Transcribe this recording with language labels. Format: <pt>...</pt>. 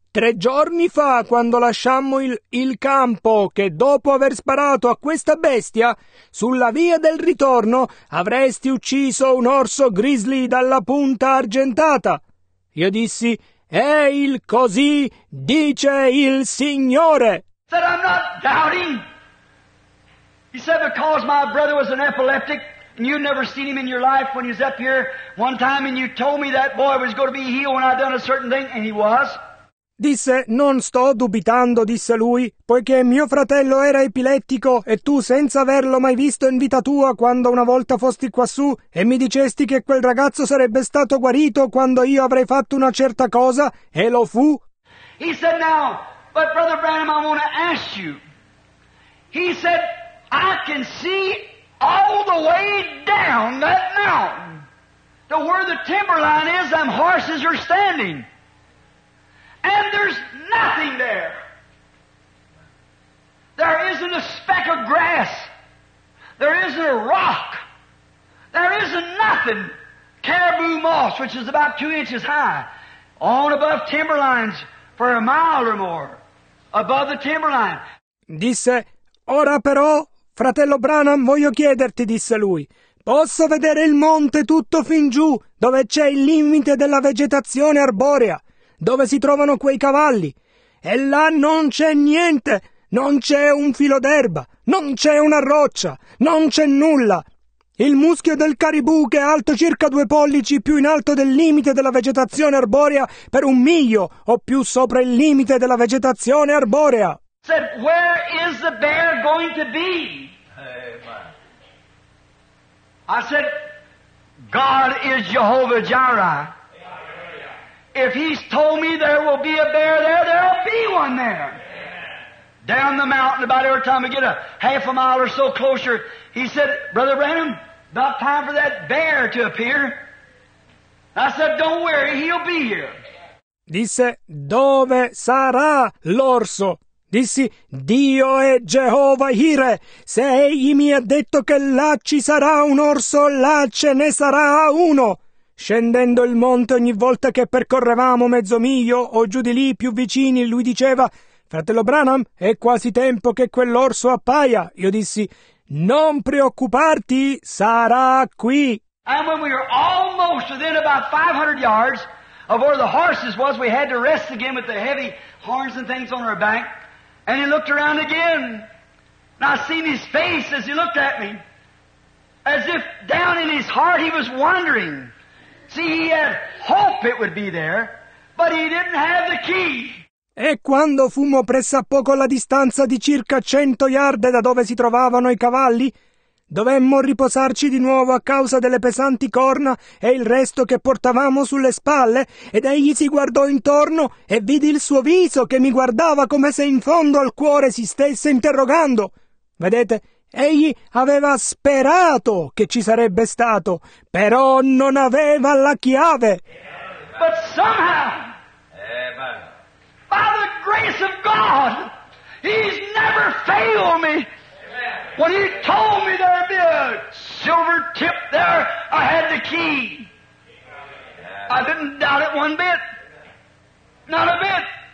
<it>Tre giorni fa, quando lasciammo il campo, che dopo aver sparato a questa bestia, sulla via del ritorno avresti ucciso un orso grizzly dalla punta argentata. Io dissi, è il così dice il Signore.</it> <en>Said I'm not doubting. He said because my brother was an epileptic and you'd never seen him in your life when he was up here one time and you told me that boy was going to be healed when I done a certain thing and he was. Disse, non sto dubitando, disse lui, poiché mio fratello era epilettico e tu senza averlo mai visto in vita tua quando una volta fosti quassù e mi dicesti che quel ragazzo sarebbe stato guarito quando io avrei fatto una certa cosa e lo fu. He said now, but Brother Branham, I want to ask you. He said, I can see all the way down that mountain to where the timber line is, them horses are standing. And there's nothing there. There isn't a speck of grass. There isn't a rock. There isn't nothing. Caribou moss, which is about 2 inches high, on above timberlines for a mile or more, above the timberline.</en> <it>Disse, ora però, fratello Branham, voglio chiederti, disse lui, posso vedere il monte tutto fin giù, dove c'è il limite della vegetazione arborea? Dove si trovano quei cavalli? E là non c'è niente, non c'è un filo d'erba, non c'è una roccia, non c'è nulla. Il muschio del caribù, che è alto circa 2 pollici più in alto del limite della vegetazione arborea, per un miglio o più sopra il limite della vegetazione arborea.</it> <en>Said, where is the bear going to be? Amen. I said, God is Jehovah Jireh. If he's told me there will be a bear there, there'll be one there. Down the mountain, about every time we get a half a mile or so closer, he said, Brother Branham, about time for that bear to appear. I said, don't worry, he'll be here.</en> <it>Disse, dove sarà l'orso? Dissi, Dio è Jehovah Jireh. Se egli mi ha detto che là ci sarà un orso, là ce ne sarà uno. Scendendo il monte ogni volta che percorrevamo mezzo miglio o giù di lì più vicini, lui diceva, fratello Branham, è quasi tempo che quell'orso appaia. Io dissi, non preoccuparti, sarà qui.</it> <en>And when we were almost within about 500 yards of where the horses was, we had to rest again with the heavy horns and things on our back. And he looked around again. And I seen his face as he looked at me, as if down in his heart he was wondering. See, he had hope it would be there, but he didn't have the key.</en> <it>E quando fummo pressappoco alla distanza di circa 100 yard da dove si trovavano i cavalli, dovemmo riposarci di nuovo a causa delle pesanti corna e il resto che portavamo sulle spalle, ed egli si guardò intorno e vidi il suo viso che mi guardava come se in fondo al cuore si stesse interrogando. Vedete? Egli aveva sperato che ci sarebbe stato, però non aveva la chiave.</it> <en>But somehow, by the grace of God, he's never failed me. When he told me there'd be a silver tip there, I had the key. I didn't doubt it one bit. Not a bit.</en>